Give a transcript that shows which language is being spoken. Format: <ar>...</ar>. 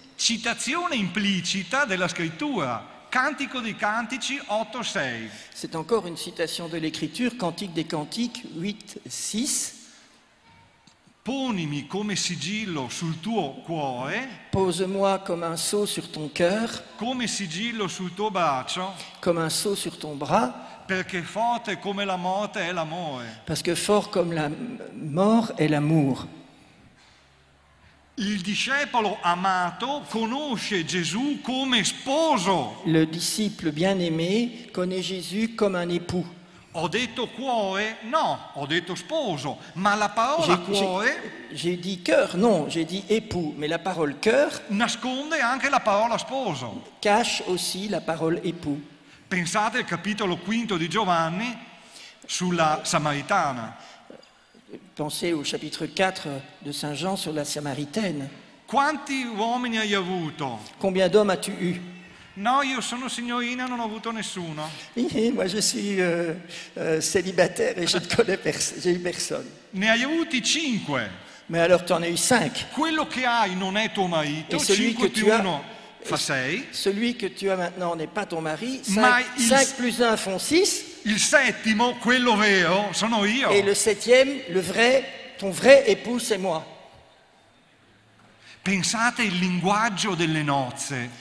<it>Citazione implicita della scrittura. Cantico dei Cantici 8:6.</it> <fr>C'est encore une citation de l'écriture, Cantique des Cantiques 8:6.</fr> <it>Ponimi come sigillo sul tuo cuore.</it> <fr>Pose-moi comme un sceau sur ton cœur.</fr> <it>Come sigillo sul tuo braccio.</it> <fr>Comme un sceau sur ton bras.</fr> <it>Perché forte come la morte è l'amore.</it> <fr>Parce que fort comme la mort est l'amour.</fr> <it>Il discepolo amato conosce Gesù come sposo.</it> <fr>Le disciple bien-aimé connaît Jésus comme un époux.</fr> <it>Ho detto cuore? No, ho detto sposo. Ma la parola cuore?</it> <fr>J'ai dit cœur, non, j'ai dit époux. Mais la parole cœur</fr> <it>nasconde anche la parola sposo.</it> <fr>Cache aussi la parole époux.</fr> <it>Pensate al capitolo quinto di Giovanni sulla Samaritana.</it> <fr>Pensez au chapitre 4 de Saint Jean sur la Samaritaine.</fr> <it>Quanti uomini hai avuto?</it> <fr>Combien d'hommes as-tu eu?</fr> <it>No, io sono signorina, non ho avuto nessuno.</it> <fr>Moi je suis célibataire et je ne connais personne. J'ai eu personne.</fr> <it>Ne hai avuti 5.</it> <fr>Mais alors tu en as eu 5.</fr> <it>Quello che hai non è tuo marito. 5 più 1 fa 6.</it> <fr>Celui que tu as maintenant n'est pas ton mari. 5 plus 1 font 6.</fr> <it>Il settimo, quello vero, sono io.</it> <fr>Et le septième, le vrai, ton vrai époux, c'est moi.</fr> <it>Pensate il linguaggio delle nozze.</it>